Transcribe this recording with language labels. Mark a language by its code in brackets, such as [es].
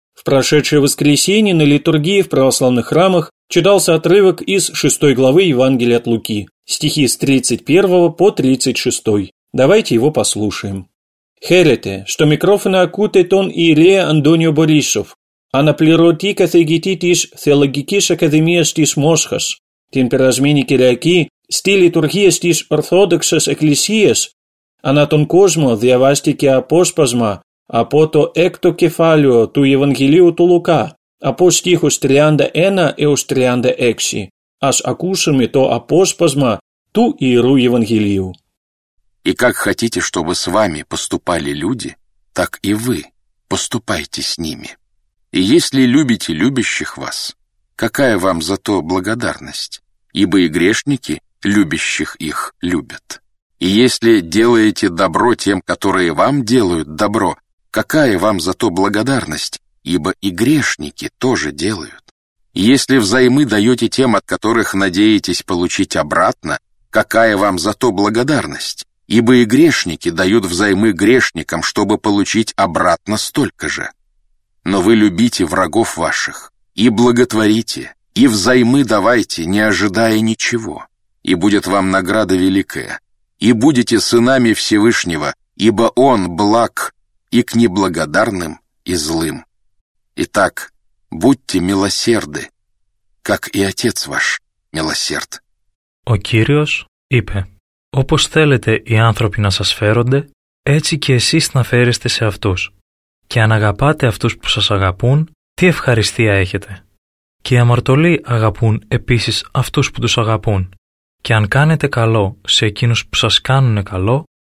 [ru] В прошедшее воскресенье на литургии в православных храмах читался отрывок из 6 главы Евангелия от Луки, стихи с 31 по 36. Давайте его послушаем. Хэрете, что микрофона окутает он Иерея Антонио Борисов. [el] Αναπληρωτή καθηγητή της Θεολογικής Ακαδημίας της Μόσχας, την περασμένη Κυριακή, στη λειτουργία της Ορθόδοξης Εκκλησίας, ανά τον κόσμο διαβάστηκε απόσπασμα από το 6ο κεφάλαιο του Ευαγγελίου του Λουκά, από στίχους 31 έως 36. Ας ακούσουμε το απόσπασμα του Ιερού Ευαγγελίου. [ru] «И как хотите, чтобы с вами поступали люди, так и вы поступайте с ними». И если любите любящих вас, какая вам за то благодарность? Ибо и грешники любящих их любят. И если делаете добро тем, которые вам делают добро, какая вам за то благодарность? Ибо и грешники тоже делают. И если взаймы даете тем, от которых надеетесь получить обратно, какая вам за то благодарность? Ибо и грешники дают взаймы грешникам, чтобы получить обратно столько же. Но вы любите врагов ваших, и благотворите, и взаймы давайте, не ожидая ничего, и будет вам награда великая, и будете сынами Всевышнего, ибо Он благ и к неблагодарным и злым. Итак, будьте милосерды, как и Отец ваш милосерд. [el] Ο Κύριος είπε, «Όπως θέλετε οι άνθρωποι να σας φέρονται, έτσι και εσείς να φέρεστε σε αυτούς. Και αν αγαπάτε αυτούς που σας αγαπούν, τι ευχαριστία έχετε. Και οι αμαρτωλοί αγαπούν επίσης αυτούς που τους αγαπούν. Και αν κάνετε καλό σε εκείνους που σας κάνουν καλό,